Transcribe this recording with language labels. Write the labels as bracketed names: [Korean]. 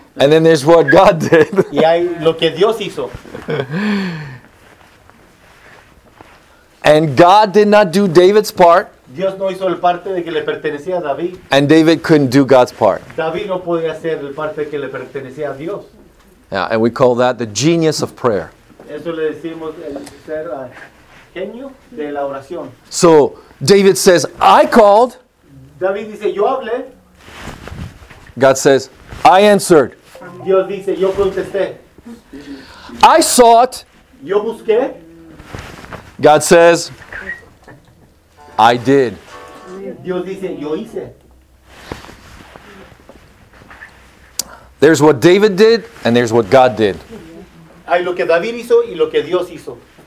[English] And then there's what God did. [Spanish] Y hay lo que Dios hizo. [English] And God did not do David's part. [Spanish] Dios no hizo el parte de que le pertenecía a David. [English] And David couldn't do God's part. [Spanish] David no podía hacer el parte que le pertenecía a Dios. [English] Yeah, and we call that the genius of prayer. [Spanish] Eso le decimos el ser genio de la oración. [English] So David says, I called. [Spanish] David dice, yo hablé. [English] God says, I answered. [Spanish] Dios dice, yo contesté. [English] I sought. [Spanish] Yo busqué. [English] God says, I did. [Spanish] Dios dice, yo hice. [English] There's what David did, and there's what God did. [Spanish] Hay lo que David hizo y lo que Dios hizo.